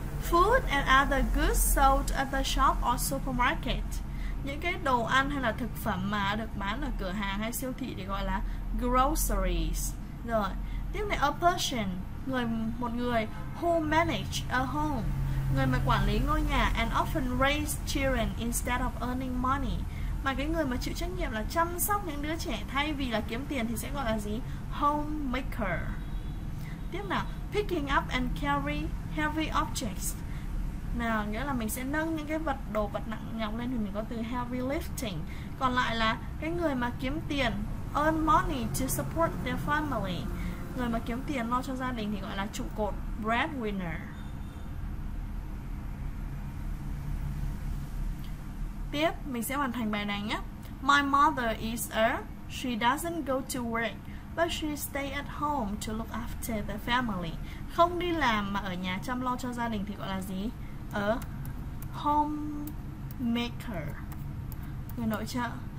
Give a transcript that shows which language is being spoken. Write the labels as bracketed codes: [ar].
[en] Food and other goods sold at the shop or supermarket. [vi] Những cái đồ ăn hay là thực phẩm mà được bán ở cửa hàng hay siêu thị thì gọi là groceries. Rồi, tiếp này, [en] a person, [vi] người, một người [en] who manage a home, [vi] người mà quản lý ngôi nhà, [en] and often raise children instead of earning money. [vi] Mà cái người mà chịu trách nhiệm là chăm sóc những đứa trẻ thay vì là kiếm tiền thì sẽ gọi là gì? [en] Homemaker. [vi] Tiếp nào, [en] picking up and carry heavy objects. [vi] Nào, nghĩa là mình sẽ nâng những cái vật đồ vật nặng nhọc lên thì mình có từ heavy lifting. Còn lại là cái người mà kiếm tiền, [en] earn money to support their family. [vi] Người mà kiếm tiền lo cho gia đình thì gọi là trụ cột, breadwinner. Tiếp, mình sẽ hoàn thành bài này nhé. [en] My mother is a, she doesn't go to work, but she stay at home to look after the family. [vi] Không đi làm mà ở nhà chăm lo cho gia đình thì gọi là gì? A homemaker, người nội trợ.